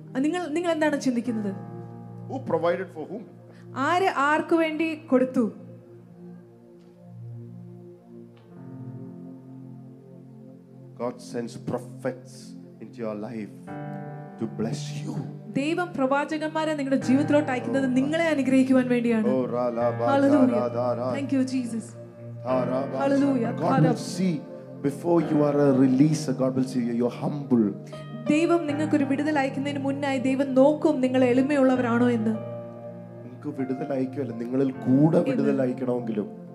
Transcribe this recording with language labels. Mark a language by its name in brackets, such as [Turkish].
[Malayalam] Ningal endana chindikkunnathu? [English] Who provided for whom? [Malayalam] Aare aarku vendi koduthu? [English] God sends prophets into your life to bless you. [Malayalam] ദൈവം പ്രവാചകന്മാരെ നിങ്ങളുടെ ജീവിതത്തിലോട്ട് അയക്കുന്നത് നിങ്ങളെ അനുഗ്രഹിക്കുവാൻ വേണ്ടിയാണ്. [English] Thank you Jesus. Hallelujah. God will see before you are a releaser. God will see you're humble. [Malayalam] ദൈവം നിങ്ങൾക്ക് ഒരു വിടുതൽ അയക്കുന്നതിന് മുന്നേ ദൈവം നോക്കും നിങ്ങൾ എളിമയുള്ളവരാണോ എന്ന്. നിങ്ങൾക്ക് വിടുതൽ അയക്കുവല്ല നിങ്ങളിൽ കൂടെ വിടുതൽ അയക്കണമെങ്കിലും.